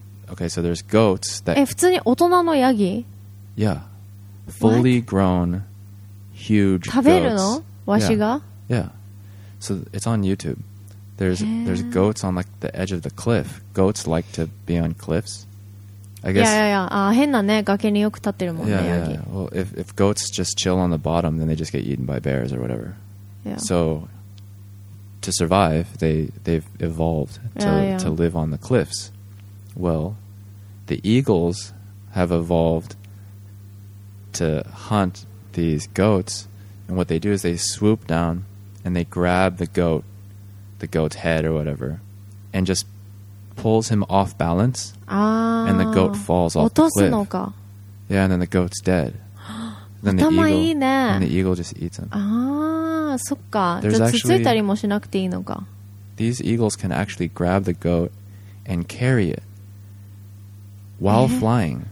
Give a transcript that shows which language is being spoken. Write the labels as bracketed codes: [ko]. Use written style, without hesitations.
[en] Okay, so there's goats that... [ja] 普通に大人のヤギ? [en] Yeah. Fully grown, huge goats. [ja] 食べるの?わしが? [en] Yeah. So it's on YouTube. There's goats on like the edge of the cliff. Goats like to be on cliffs. I guess... Yeah. [ja] 変なね、崖によく立ってるもんね、ヤギ。 [en] Yeah. Well, if goats just chill on the bottom, then they just get eaten by bears or whatever. Yeah. So... To survive, they've evolved to live on the cliffs. Well, the eagles have evolved to hunt these goats, and what they do is they swoop down and they grab the goat's head or whatever, and just pulls him off balance, and the goat falls off the cliff. Yeah, and then the goat's dead. Then the eagle, and the eagle just eats him. [ja] そっか。じゃあつついたりもしなくていいのか。 [en] These eagles can actually grab the goat and carry it while flying.